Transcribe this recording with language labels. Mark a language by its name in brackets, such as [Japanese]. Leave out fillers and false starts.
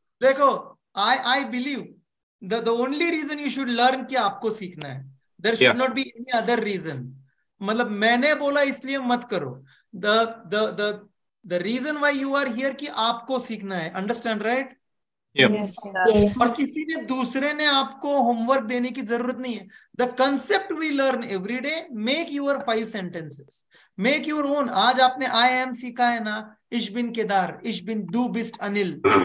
[Hindi] देखो [English] I believe the only reason you should learn [Hindi] कि आपको सीखना है. [English] There should not be any other reason. [Hindi] मतलब मैंने बोला इसलिए मत करो. [English] The reason why you are here [Hindi] कि आपको सीखना है. [English] Understand right? Yep. Yes. [Hindi] और किसी ने दूसरे ने आपको homework देने की जरूरत नहीं है. [English] The concept we learn every day, make your 5 sentences. Make your own. [Hindi] आज आपने [English] I am [Hindi] सीखा है ना. [German] Ich bin Kedar, Ich bin du bist Anil.